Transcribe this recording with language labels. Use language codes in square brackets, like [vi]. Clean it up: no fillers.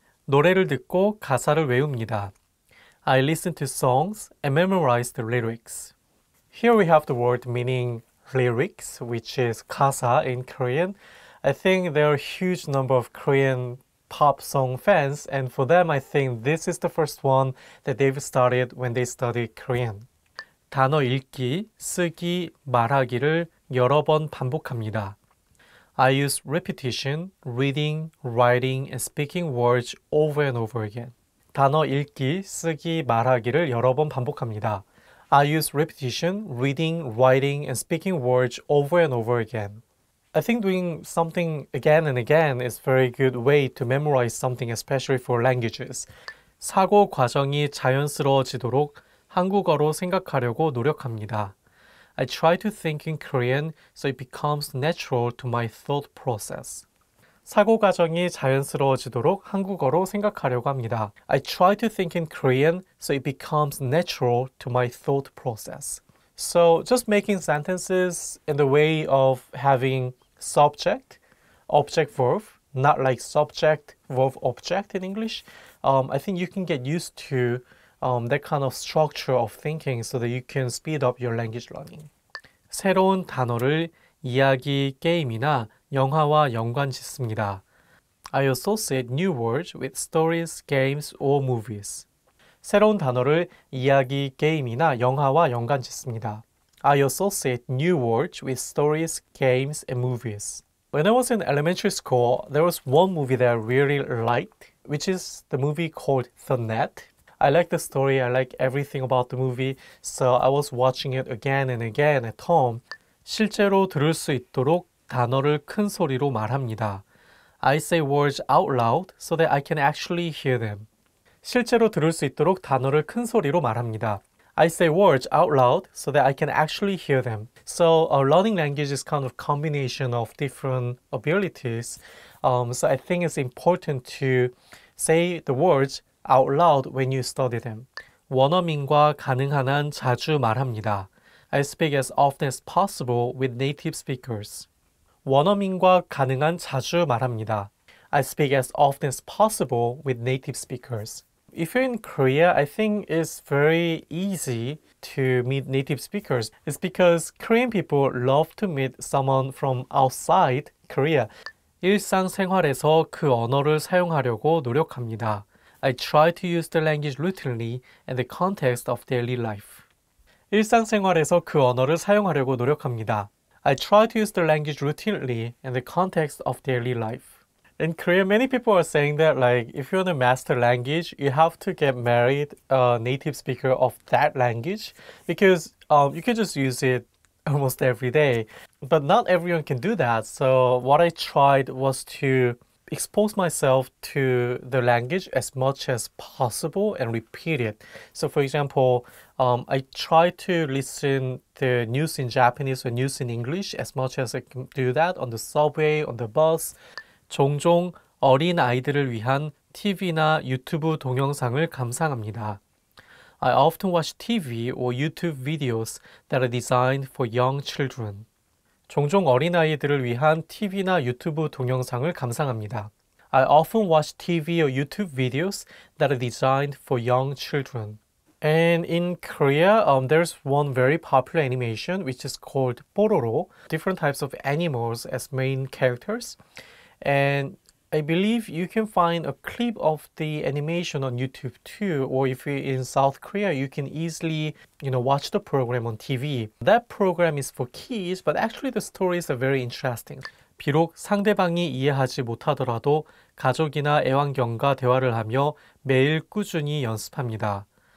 [ko] 노래를 듣고 가사를 외웁니다. [en] I listen to songs and memorize the lyrics. Here we have the word meaning lyrics, which is 가사 in Korean. I think there are a huge number of Korean pop song fans, and for them, I think this is the first one that they've studied when they studied Korean. [ko] 단어 읽기, 쓰기, 말하기를 여러 번 반복합니다. [en] I use repetition, reading, writing, and speaking words over and over again. [ko] 단어 읽기, 쓰기, 말하기를 여러 번 반복합니다. [en] I use repetition, reading, writing, and speaking words over and over again. I think doing something again and again is a very good way to memorize something, especially for languages. [ko] 사고 과정이 자연스러워지도록 한국어로 생각하려고 노력합니다. [en] I try to think in Korean so it becomes natural to my thought process. [ko] 사고 과정이 자연스러워지도록 한국어로 생각하려고 합니다. [en] I try to think in Korean so it becomes natural to my thought process. So just making sentences in the way of having subject, object, verb, not like subject, verb, object in English. I think you can get used to that kind of structure of thinking so that you can speed up your language learning. [ko] 새로운 단어를 이야기, 게임이나 영화와 연관 짓습니다. [en] I associate new words with stories, games, or movies. [ko] 새로운 단어를 이야기, 게임이나 영화와 연관 짓습니다. [en] I associate new words with stories, games, and movies. When I was in elementary school, there was one movie that I really liked, which is the movie called The Net. I like the story, I like everything about the movie, so I was watching it again and again at home. [ko] 실제로 들을 수 있도록 단어를 큰 소리로 말합니다. [en] I say words out loud so that I can actually hear them. [ko] 실제로 들을 수 있도록 단어를 큰 소리로 말합니다. [en] I say words out loud so that I can actually hear them. So learning language is kind of a combination of different abilities. So I think it's important to say the words out loud when you study them. [ko] 원어민과 가능한 한 자주 말합니다. [en] I speak as often as possible with native speakers. [ko] 원어민과 가능한 자주 말합니다. [en] I speak as often as possible with native speakers. If you're in Korea, I think it's very easy to meet native speakers. It's because Korean people love to meet someone from outside Korea. [ko] 일상생활에서 그 언어를 사용하려고 노력합니다. [en] I try to use the language routinely in the context of daily life. [ko] 일상생활에서 그 언어를 사용하려고 노력합니다. [en] I try to use the language routinely in the context of daily life. In Korea, many people are saying that like if you want to master language, you have to get married a native speaker of that language because you can just use it almost every day. But not everyone can do that. So what I tried was to expose myself to the language as much as possible and repeat it. So for example, I try to listen the news in Japanese or news in English as much as I can do that on the subway, on the bus. [ko] 종종 어린 아이들을 위한 TV나 유튜브 동영상을 감상합니다. [en] I often watch TV or YouTube videos that are designed for young children. [ko] 종종 어린 아이들을 위한 TV나 유튜브 동영상을 감상합니다. [en] I often watch TV or YouTube videos that are designed for young children. And in Korea, there's one very popular animation which is called Pororo. Different types of animals as main characters. And I believe you can find a clip of the animation on YouTube too, or if you're in South Korea, you can easily, you know, watch the program on TV. That program is for kids, but actually the stories are very interesting. [ko] 비록 상대방이 이해하지 못하더라도 가족이나 애완견과 대화를 하며 매일 꾸준히 연습합니다.